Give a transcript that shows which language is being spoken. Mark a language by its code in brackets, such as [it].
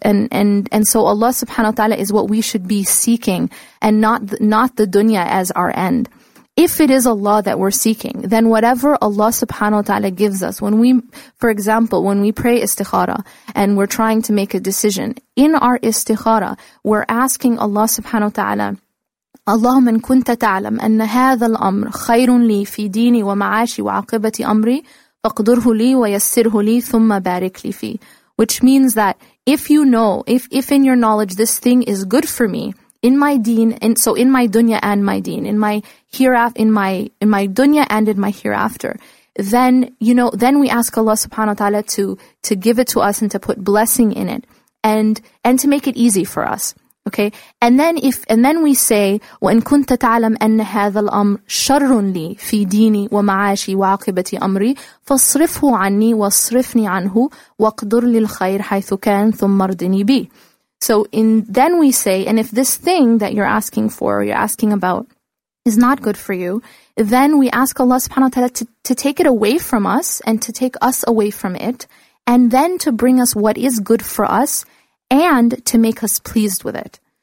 [en] And so Allah subhanahu wa ta'ala is what we should be seeking, and not the dunya as our end. If it is Allah that we're seeking, then whatever Allah subhanahu wa ta'ala gives us, when we, for example, when we pray istikhara and we're trying to make a decision, in our istikhara, we're asking Allah subhanahu wa ta'ala, [ar] اللهم إن كنت تعلم أن هذا الأمر خير لي في ديني ومعاشي وعاقبة أمري فاقدره لي ويسره لي ثم بارك لي فيه. [en] Which means that if you know, if in your knowledge this thing is good for me in my deen, and so in my dunya and my deen, in my hereafter, in my dunya and in my hereafter, then you know, then we ask Allah subhanahu wa ta'ala to give it to us and to put blessing in it and to make it easy for us. Okay. [ar] And then we say, وَإِن كُنْتَ تَعْلَمْ أَنَّ هَذَا الْأَمْرِ شَرٌّ لِي فِي دِينِي وَمَعَاشِي وَعَاقِبَةِ أَمْرِي فَاصْرِفْهُ عَنِّي وَاصْرِفْنِي عَنْهُ وَاقْدُرْ لِلْخَيْرِ حَيْثُ كَانْ ثُمَّ ارْدِنِي بِي. [en] So in, then we say, and if this thing that you're asking for, or you're asking about, is not good for you, then we ask Allah subhanahu wa ta'ala to take it away from us and to take us away from it, and then to bring us what is good for us, and to make us pleased with it.